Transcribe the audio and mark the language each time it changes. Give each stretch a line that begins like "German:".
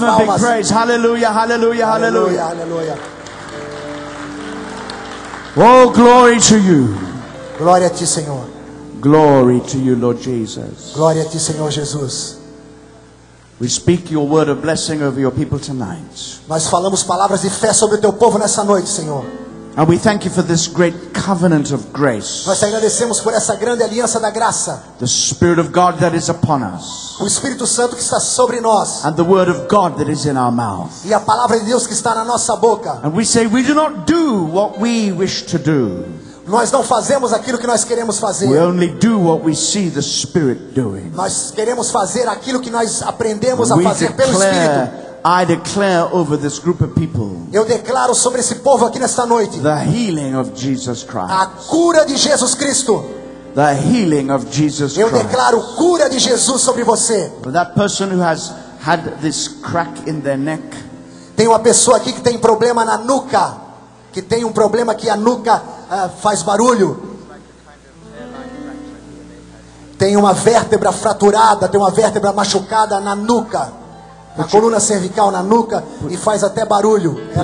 English: palmas. Give him big praise. Hallelujah, hallelujah, hallelujah. Hallelujah, hallelujah. Oh, glory to you.
Portuguese: Glória a ti, Senhor.
English: Glory to you, Lord Jesus.
Portuguese: Glória a ti, Senhor Jesus.
English: We speak your word of blessing over your people tonight.
Portuguese: Nós falamos palavras de fé sobre o teu povo nessa noite, Senhor.
English: And we thank you for this great covenant of grace.
Portuguese: Nós te agradecemos por essa grande aliança da graça.
English: The Spirit of God that is upon us.
Portuguese: O Espírito Santo que está sobre nós.
English: And the Word of God that is in our mouth.
Portuguese: E a palavra de Deus que está na nossa boca.
English: And we say we do not do what we wish to do.
Portuguese: Nós não fazemos aquilo que nós queremos fazer.
English: We only do what we see the Spirit doing.
Portuguese: Nós queremos fazer aquilo que nós aprendemos a fazer pelo Espírito.
English: I declare over this group of people.
Portuguese: Eu declaro sobre esse povo aqui nesta noite.
English: The healing of Jesus Christ.
Portuguese: A cura de Jesus Cristo.
English: The healing of Jesus Christ.
Portuguese: Eu declaro cura de Jesus sobre você.
English: For that person who has had this crack in their neck.
Portuguese: Tem uma pessoa aqui que tem problema na nuca, que tem um problema que a nuca faz barulho. Tem uma vértebra fraturada, tem uma vértebra machucada na nuca. Na coluna cervical, na nuca, e faz até barulho.